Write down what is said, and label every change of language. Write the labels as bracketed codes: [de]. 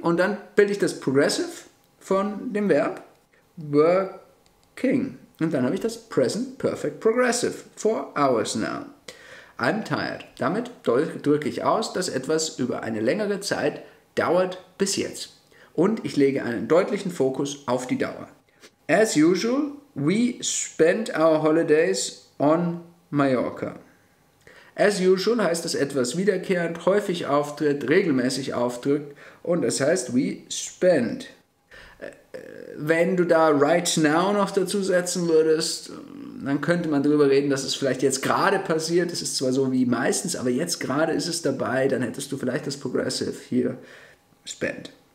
[de] Und dann bilde ich das Progressive von dem Verb working. Und dann habe ich das Present Perfect Progressive. [en] 4 hours now. I'm tired. [de] Damit drücke ich aus, dass etwas über eine längere Zeit dauert bis jetzt. Und ich lege einen deutlichen Fokus auf die Dauer. [en] As usual, we spent our holidays on Mallorca. [de] As usual heißt, dass etwas wiederkehrend, häufig auftritt, regelmäßig auftritt. Und das heißt, [en] we spent. [de] Wenn du da [en] right now [de] noch dazu setzen würdest, dann könnte man darüber reden, dass es vielleicht jetzt gerade passiert. Es ist zwar so wie meistens, aber jetzt gerade ist es dabei, dann hättest du vielleicht das Progressive hier spend.